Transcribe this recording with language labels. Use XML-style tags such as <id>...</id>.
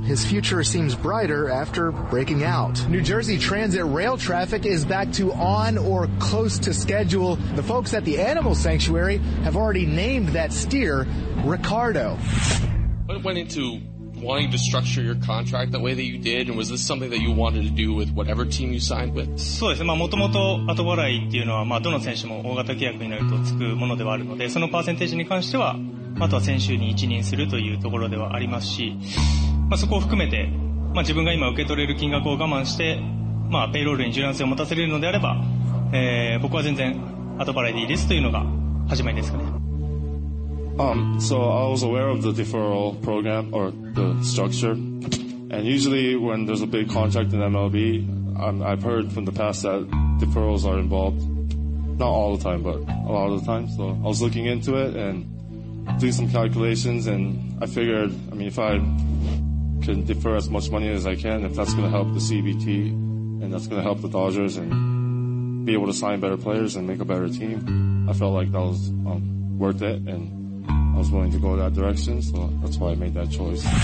<en>His future seems brighter after breaking out. New Jersey Transit rail traffic is back to on or close to schedule. The folks at the animal sanctuary have already named that steer Ricardo. What went into wanting to structure your contract the way that you did, and was this something that you wanted to do with whatever team you signed with?</en> <ja>そうですね。まあ、もともと後払いっていうのは、まあ、どの選手も大型契約になるとつくものではあるので、そのパーセンテージに関しては、あとは選手に一任するというところではありますし、まあ、そこを含めて、まあ、自分が今受け取れる金額を我慢して、まあ、ペイロールに柔軟性を持たせれるのであれば、僕は全然後払いでいいですというのが始まりですかね。</ja> <en>So I was aware of the deferral program or the structure, and usually when there's a big contract in MLB, I've heard from the past that deferrals are involved, not all the time, but a lot of the time. So I was looking into it and doing some calculations, and I figured, if I can defer as much money as I can, if that's going to help the CBT and that's going to help the Dodgers and be able to sign better players and make a better team, I felt like that was worth it, and I was willing to go that direction, so that's why I made that choice.</en>